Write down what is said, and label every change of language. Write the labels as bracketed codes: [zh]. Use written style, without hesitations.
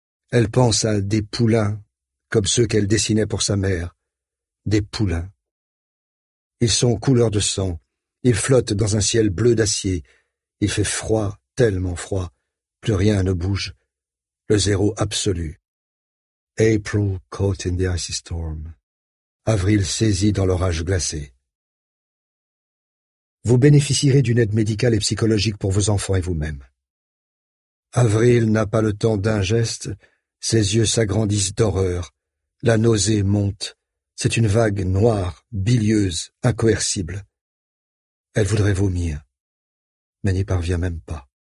[fr] Elle pense à des poulains, comme ceux qu'elle dessinait pour sa mère. Des poulains. Ils sont couleur de sang. Ils flottent dans un ciel bleu d'acier. Il fait froid, tellement froid. Plus rien ne bouge. Le zéro absolu. [en] April caught in the icy storm. [fr] Avril saisit dans l'orage glacé. Vous bénéficierez d'une aide médicale et psychologique pour vos enfants et vous-même. Avril n'a pas le temps d'un geste, ses yeux s'agrandissent d'horreur, la nausée monte, c'est une vague noire, bilieuse, incoercible. Elle voudrait vomir, mais n'y parvient même pas.